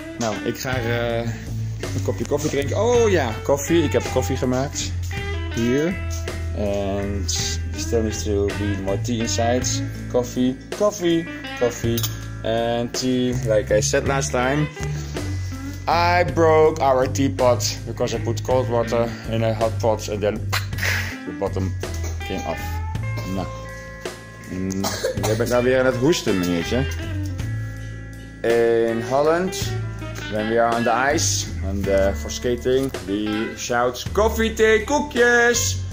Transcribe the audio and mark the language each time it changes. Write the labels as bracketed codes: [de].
[nl] Nou, ik ga een kopje koffie drinken. Oh ja, koffie. Ik heb koffie gemaakt. Hier. [en] En the still needs to be more tea inside. [nl] Koffie, koffie, koffie. En tea. [en] Like I said last time. I broke our teapot. Because I put cold water in a hot pot. And then the bottom came off. Nou. [nl] Jij bent nou weer aan het hoesten, meneertje. [en] In Holland, when we are on the ice, and for skating, we shout [nl] koffie, thee, koekjes!